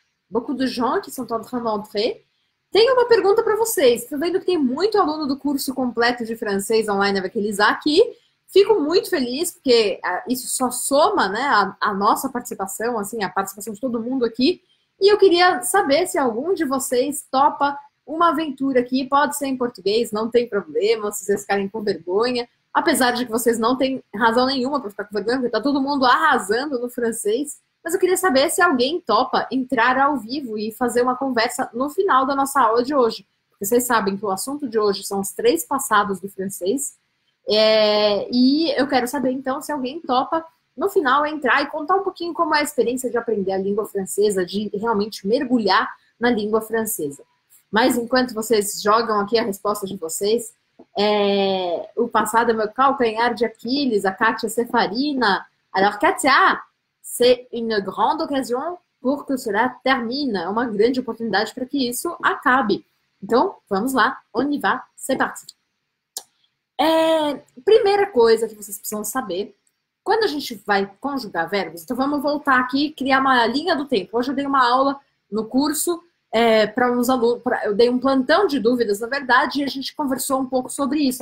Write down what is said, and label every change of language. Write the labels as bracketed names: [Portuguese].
[French] Beaucoup de gens que sont en train d'entrer. [Portuguese] Tenho uma pergunta para vocês. Estou vendo que tem muito aluno do curso completo de francês online Avec Elisa aqui. Fico muito feliz, porque isso só soma, né, a nossa participação, assim, a participação de todo mundo aqui. E eu queria saber se algum de vocês topa uma aventura aqui. Pode ser em português, não tem problema, se vocês ficarem com vergonha. Apesar de que vocês não têm razão nenhuma para ficar com vergonha, porque está todo mundo arrasando no francês. Mas eu queria saber se alguém topa entrar ao vivo e fazer uma conversa no final da nossa aula de hoje. Porque vocês sabem que o assunto de hoje são os três passados do francês. E eu quero saber, então, se alguém topa no final entrar e contar um pouquinho como é a experiência de aprender a língua francesa, de realmente mergulhar na língua francesa. Mas enquanto vocês jogam aqui a resposta de vocês, o passado é meu calcanhar de Aquiles, a Kátia Sefarina. [French] Alors, Kátia! C'est une grande occasion pour que cela termine. [Portuguese] É uma grande oportunidade para que isso acabe. Então, vamos lá. [French] On y va. C'est parti. [Portuguese] Primeira coisa que vocês precisam saber, quando a gente vai conjugar verbos, então vamos voltar aqui e criar uma linha do tempo. Hoje eu dei uma aula no curso para uns alunos, eu dei um plantão de dúvidas, na verdade, e a gente conversou um pouco sobre isso.